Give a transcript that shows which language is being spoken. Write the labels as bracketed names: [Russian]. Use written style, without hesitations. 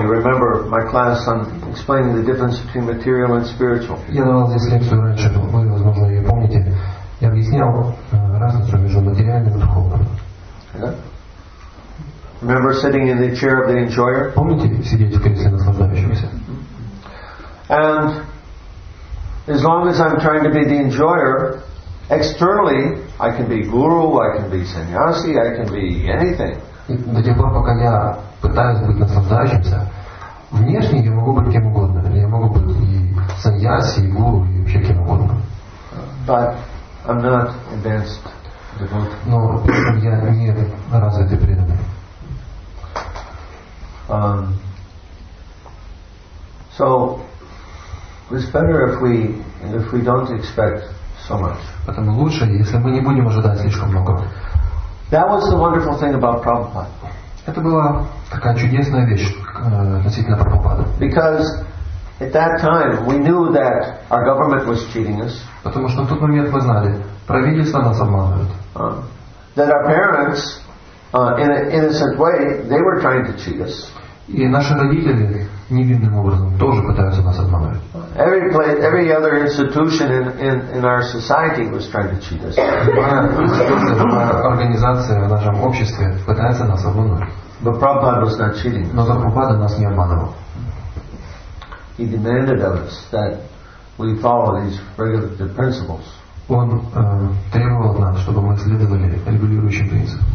[English] You remember my class on explaining the difference between material and spiritual. [Russian] Я давал здесь лекцию раньше. Вы, возможно, ее помните. Я объяснял разницу между материальным и духовным. [English] Remember sitting in the chair of the enjoyer? [Russian] Помните сидеть в кресле наслаждающегося? [English] And as long as I'm trying to be the enjoyer, externally I can be guru, I can be sannyasi, I can be anything. [Russian] До тех пор, пока я пытаюсь быть наслаждающимся, внешне я могу быть кем угодно. Я могу быть и саньяси, и гуру, и вообще кем угодно. [English] But I'm not advanced devotee. [Russian] Но я не развитый преданный. [English] So it's better if we don't expect so much. [Russian] Поэтому лучше, если мы не будем ожидать слишком много. [English] That was the wonderful thing about Prabhupada. [Russian] Это была такая чудесная вещь относительно Прабхупады. [English] Because at that time we knew that our government was cheating us. [Russian] Потому что в тот момент мы знали, правительство нас обманывает. [English] That our parents, in an innocent way, they were trying to cheat us. [Russian] И наши родители невинным образом тоже пытаются нас обмануть. [English] Every place, every other institution in our society was trying to cheat us. [Russian] Организация в нашем обществе пытается нас обмануть. [English] But Prabhupada was not cheating. [Russian] Но Прабхупада нас не обманывал. [English] He demanded of us that we follow these regulative principles. [Russian] Он требовал от нас, чтобы мы следовали регулирующим принципам.